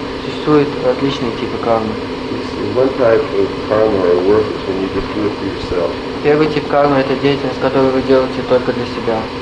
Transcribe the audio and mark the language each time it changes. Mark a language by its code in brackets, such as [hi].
[ru] Существует различные типы кармы. [en] One type of karma or work is when you just do it for yourself. [ru] Первый тип кармы – это деятельность, которую вы делаете только для себя.